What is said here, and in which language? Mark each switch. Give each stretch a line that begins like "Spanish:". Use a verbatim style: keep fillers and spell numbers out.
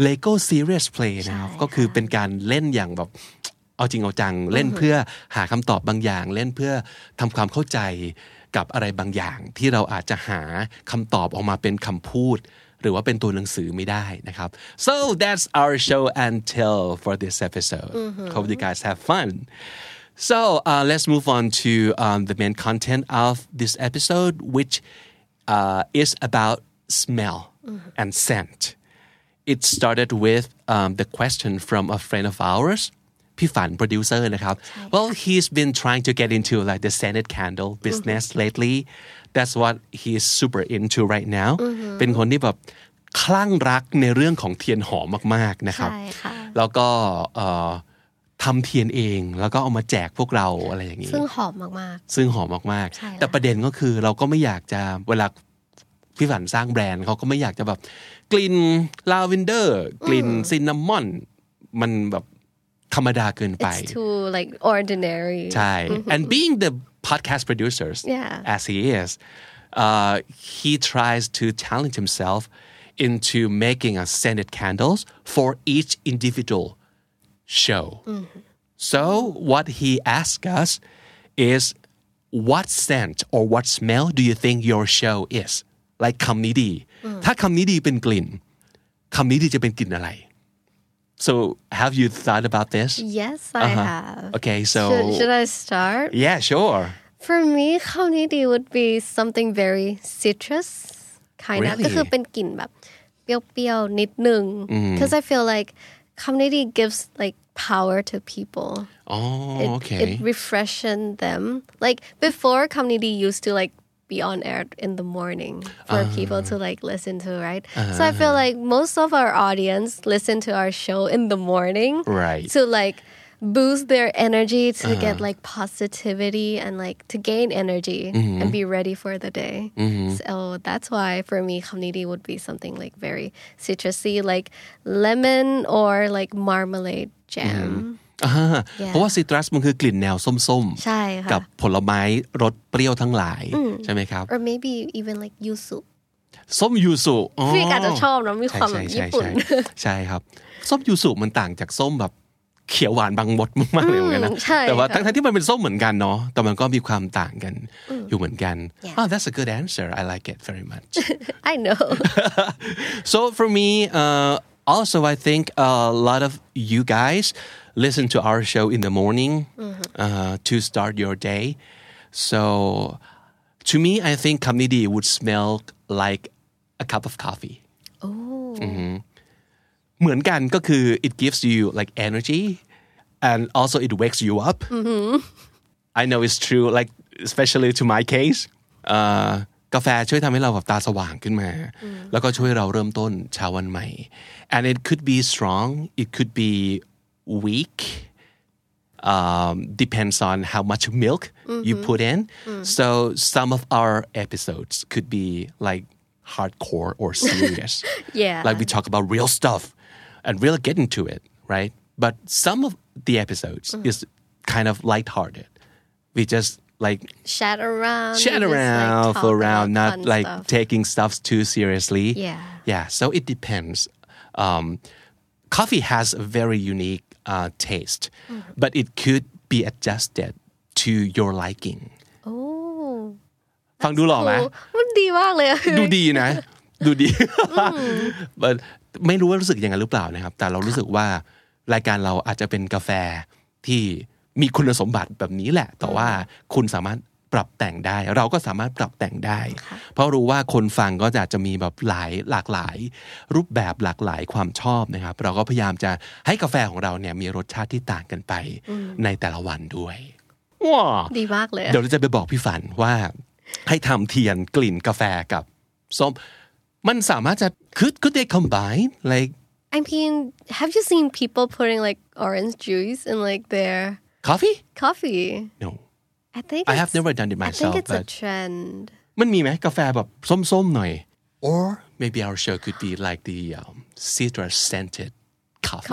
English: Lego Serious Play
Thai: นะครับก็คือเป็นการเล่นอย่างแบบเอาจริงเอาจังเล่นเพื่อหาคำตอบบางอย่างเล่นเพื่อทำความเข้าใจกับอะไรบางอย่างที่เราอาจจะหาคำตอบออกมาเป็นคำพูดหรือว่าเป็นตัวหนังสือไม่ได้นะครับ
English: So that's our show and tell for this episode Hope you guys have fun So uh, let's move on to um, the main content of this episode which uh, is about smell mm-hmm. and scent. It started with um, the question from a friend of ours, Pifan, producer,นะครับ. Well, he's been trying to get into like the scented candle business mm-hmm. lately. That's what he's super into right now.
Thai: เป็นคนที่แบบคลั่งรักในเรื่องของเทียนหอมมากๆนะครับแล้วก็เอ่อทำเทียนเองแล้วก็เอามาแจกพวกเราอะไรอย่างงี้ ซึ่งหอมมากๆ ซึ่งหอมมากๆแต่ประเด็นก็คือเราก็ไม่อยากจะเวลาพี่ฝันสร้างแบรนด์เขาก็ไม่อยากจะแบบกลิ่นลาเวนเดอร์กลิ่นซินนามอนมันแบบธรรมดาเกินไป
English: It's too like ordinary ใช่ and being the podcast producers yeah. as he is uh, he tries to challenge himself into making a scented candles for each individual show mm-hmm. so what he asks us is what scent or what smell do you think your show is like
Thai: คำนี้ดีถ้าคำนี้ดีเป็นกลิ่นคำนี้ดีจะเป็นกลิ่นอะไร
English: so have you thought about this yes I uh-huh. have okay so should, should I start yeah sure for me คำนี้ดี would be something very citrus kind of
Thai: ก็คือเป็นกลิ่นแบบเปรี้ยวๆนิดนึง
English: because I feel like คำนี้ดี gives like power to people oh it, okay it refreshes them like before คำนี้ดี used to like be on air in the morning for uh-huh. people to like listen to right uh-huh. so I feel like most of our audience listen to our show in the morning right to like boost their energy to uh-huh. get like positivity and like to gain energy mm-hmm. and be ready for the day mm-hmm. so that's why for me community would be something like very citrusy like lemon or like marmalade jam mm-hmm.
Thai: เพราะว่าซิตรัสมันคือกลิ่นแนวส้ม ๆ กับผลไม้รสเปรี้ยวทั้งหลายใช่ไหมครับ
English: or maybe even like yuzu
Thai: ส้มยูสุ พี่อาจจะชอบนะมีความญี่ปุ่น ใช่ครับส้มยูสุมันต่างจากส้มแบบเขียวหวานบางมดมากๆเลยเหมือนกันนะแต่ว่าทั้งๆที่มันเป็นส้มเหมือนกันเนาะแต่มันก็มีความต่างกันอยู่เหมือนกัน
English: oh that's a good answer I like it very much I know so for me uh, also I think a lot of you guys listen to our show in the morning mm-hmm. uh, to start your day. So to me, I think Kamnidi would smell like a cup of coffee. Oh.
Thai: เหมือนกันก็คือ
English: it gives you like energy and also it wakes you up. Mm-hmm. I know it's true, like especially to my case. Uh,
Thai: กาแฟช่วยทำให้เราแบบตาสว่างขึ้นมาแล้วก็ช่วยเราเริ่มต้นเช้าวันใหม่
English: And it could be strong, it could be weak um, depends on how much milk mm-hmm. you put in mm. so some of our episodes could be like hardcore or serious yeah like we talk about real stuff and really get into it right but some of the episodes mm. is kind of lighthearted we just like chat around chat around for like around not like stuff. taking stuff too seriously yeah yeah so it depends um, coffee has a very unique Uh, taste mm-hmm. but it could be adjusted to your liking oh
Thai: ฟังดูหล่อไหม มันดีมากเลย ดูดีนะดูดี but ไม่รู้ว่ารู้สึกยังไงหรือเปล่านะครับแต่เรารู้สึกว่ารายการเราอาจจะเป็นกาแฟที่มีคุณสมบัติแบบนี้แหละแต่ว่าคุณสามารถปรับแต่งได้เราก็สามารถปรับแต่งได้เพราะรู้ว่าคนฟังก็อาจจะมีแบบหลายหลากหลายรูปแบบหลากหลายความชอบนะครับเราก็พยายามจะให้กาแฟของเราเนี่ยมีรสชาติที่ต่างกันไปในแต่ละวันด้วยว้า ดีมากเลย เดี๋ยวเราจะไปบอกพี่ฝันว่าให้ทำเทียนกลิ่นกาแฟกับส้มมันสามารถจะ
English: could could they combine like I mean, have you seen people putting like orange juice in like their coffee? Coffee. No. I think I it's, have never done it myself. I think it's but a trend.
Thai: มันมีไหมกาแฟแบบส้มๆหน่อย
English: or maybe our show could be like the um, citrus scented coffee.